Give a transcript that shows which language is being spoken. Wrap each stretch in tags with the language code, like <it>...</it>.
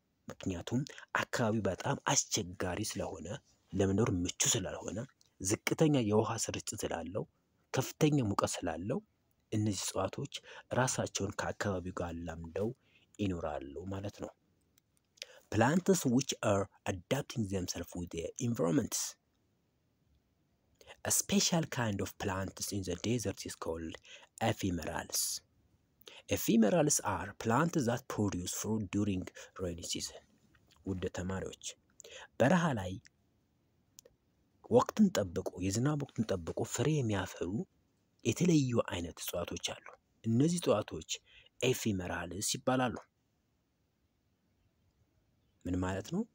<am>ምክንያቱም አካባቢው በጣም አስቸጋሪ ስለሆነ ለመኖር ምቹ ስላልሆነ ዝቅተኛ የውሃ ስርጭት ስላለው ከፍተኛ ሙቀት ስላለው እነዚህ እጽዋቶች ራሳቸውን ከአካባቢው ጋር አላምደው ይኖራሉ ማለት ነው።</am> <en>plants which are adapting themselves with their environments. A special kind of plants in the desert is called ephemerals. Ephemerals are plants that produce fruit during rainy season.</en> <am>ውድ ተማሪዎች በረሃ ላይ ወቅትን ጠብቆ የዝናብ ወቅትን ጠብቆ ፍሬ የሚያፈሩ የተለያዩ አይነት እጽዋቶች አሉ። እነዚህ እጽዋቶች ኤፊሜራልስ ይባላሉ። ምን ማለት ነው?</am>